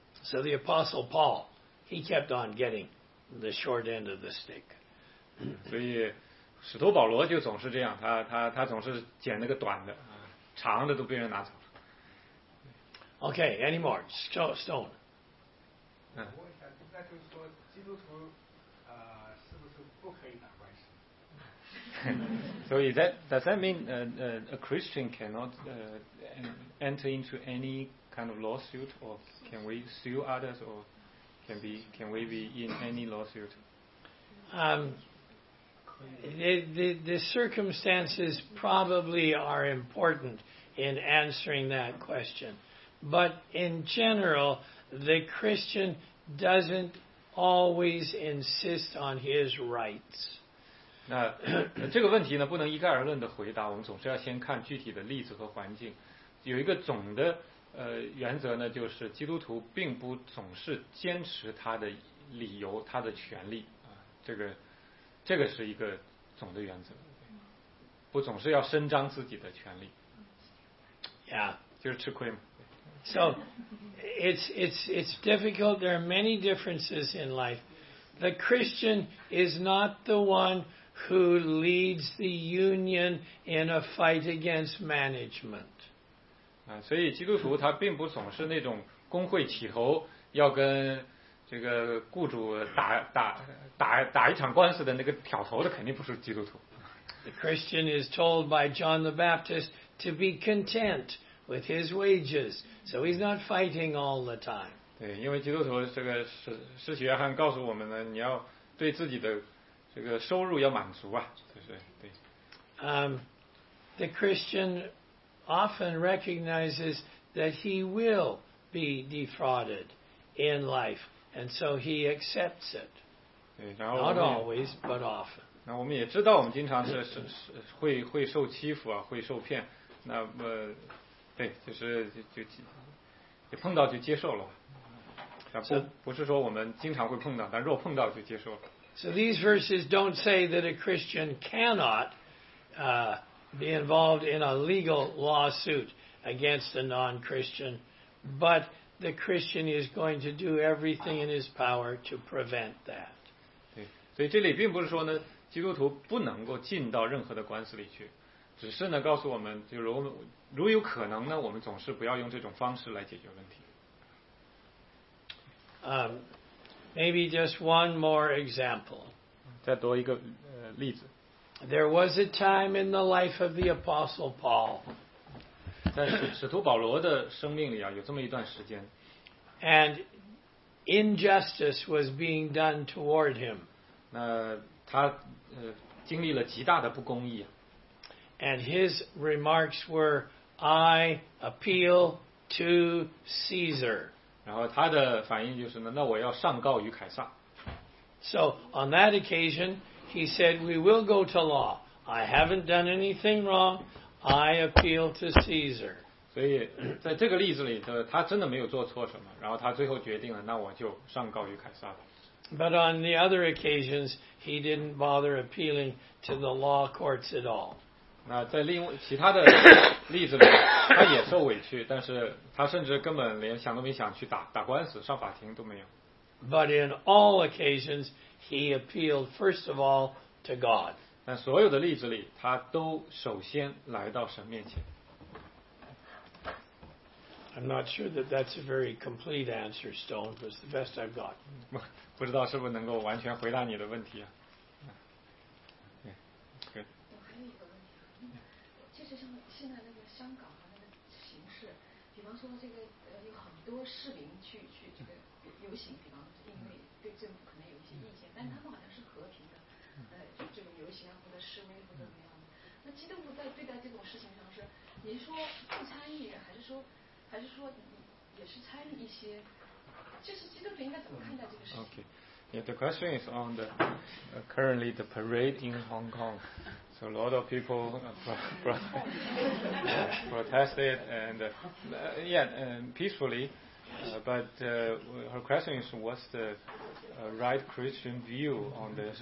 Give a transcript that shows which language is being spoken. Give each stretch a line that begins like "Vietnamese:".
English: So the Apostle Paul. He kept on getting the short end of the stick.
Chinese: 所以使徒保罗就总是这样，他总是捡那个短的，长的都被人拿走了。
English: Okay, any more? Stone.
Chinese: 我想应该就是说，基督徒是不是不可以打官司？
English: 所以does that mean a Christian cannot enter into any kind of lawsuit, or can we sue others, or? Can we be in any lawsuit? The circumstances probably are important in answering that question. But in general, the Christian doesn't always insist on his rights.
Chinese: 那这个问题呢，不能一概而论的回答，我们总是要先看具体的例子和环境。有一个总的原则呢，就是基督徒并不总是坚持他的理由、他的权利啊，这个是一个总的原则，不总是要伸张自己的权利。
English: Yeah,
Chinese: 就是吃亏嘛。
English: So it's difficult. There are many differences in life. The Christian is not the one who leads the union in a fight against management.
Chinese: 所以基督徒他并不总是那种工会起头要跟这个雇主打一场官司的那个挑头的，肯定不是基督徒。
English: The Christian is told by John the Baptist to be content with his wages, so he's not fighting all the time.
Chinese: 对，因为基督徒这个使徒约翰告诉我们呢，你要对自己的这个收入要满足啊，就是对。
English: The Christian. Often recognizes that he will be defrauded in life, and so he accepts it. Not always, but often.
Chinese: 那我们也知道，我们经常是会受欺负啊，会受骗。那么，对，就是就碰到就接受了。不是说我们经常会碰到，但若碰到就接受了。
English: So these verses don't say that a Christian cannot. Be involved in a legal lawsuit against a non-Christian, but the Christian is going to do everything in his power to prevent that.
Chinese: 对，所以这里并不是说呢，基督徒不能够进到任何的官司里去，只是呢告诉我们，就如有可能呢，我们总是不要用这种方式来解决问题。
English: Maybe just one more example.
Chinese: 再多一个例子。
English: There was a time in the life of the Apostle Paul.
Chinese: 在使徒保罗的生命里啊，有这么一段时间。
English: And injustice was being done toward him.
Chinese: 那他经历了极大的不公义。
English: And his remarks were, "I appeal to Caesar."
Chinese: 然后他的反应就是呢，那我要上告于凯撒。
English: So on that occasion, he said, "We will go to law. I haven't done anything wrong. I appeal to Caesar."
Chinese: 所以在这个例子里，他真的没有做错什么。然后他最后决定了，那我就上告于凯撒吧。
English: But on the other occasions, he didn't bother appealing to the law courts at all.
Chinese: 那在另外其他的例子里，他也受委屈，但是他甚至根本连想都没想去打官司、上法庭都没有。
English: But in all occasions, he appealed first of all to God.
Chinese: 但所有的例子里，他都首先来到神面前。
English: I'm not sure that that's a very complete answer, Stone, but it's the best I've got.
Chinese: 不知道是不是能够完全回答你的问题啊？对，我还有一个问题，就是像现在那个香港的那个形势，比方说这个有很多市民去这个游行，比方因为对政府可能有一些意见，但他们好像是和平的，就这种游行啊或者示威或者怎么样的。那基督徒在对待这种事情上是，您说不参与，还是说也是参与一些？
English: Okay. Yeah, the question is on the currently the parade in Hong Kong. So a lot of people protested and peacefully. But her question is, what's the right Christian view on this?